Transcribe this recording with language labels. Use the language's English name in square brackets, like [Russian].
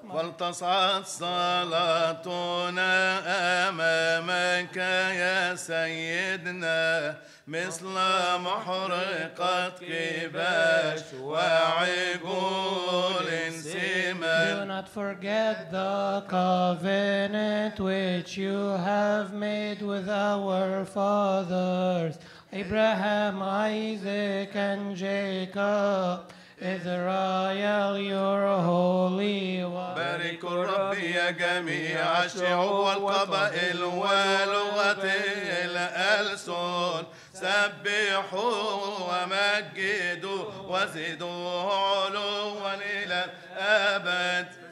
[Arabic] وَلْتَصْعَدْ صَلَاتُنَا أَمَامَكَ يَا سَيِّدْنَا مثل محرقة كباش وعجول سمن. [English] Do not forget the covenant which you have made with our fathers Abraham, Isaac and Jacob, Israel, your holy one. [Arabic] باركوا الرب يا جميع الشعوب والقبائل ولغة الألسن سبحوا ومجدوا وزدوا علوا إلى الأبد.